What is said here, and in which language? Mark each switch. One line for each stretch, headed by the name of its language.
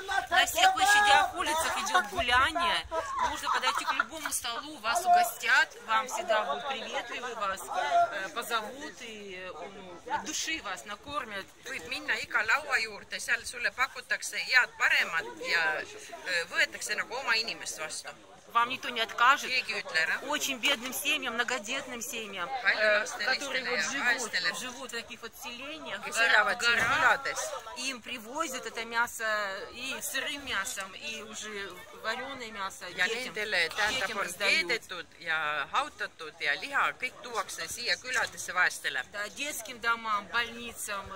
Russian: На всех площадях улицах идет гуляние. Нужно подойти к любому столу, вас угостят, вам всегда будут приветливы, вас позовут и от души вас накормят.
Estonian: Võib minna iga laua juurde, seal sulle pakutakse head paremat ja võetakse nagu oma inimest vastu.
Russian: Вам никто не откажет. Очень бедным семьям, многодетным семьям, которые вот живут в таких вот селениях, в горах, им привозят это мясо и сырым мясом, и уже вареное мясо детям раздают.
Estonian: Ja hautatud ja liha kõik tuuakse siia küladesse vaestele.
Russian: Да, детским домам, больницам,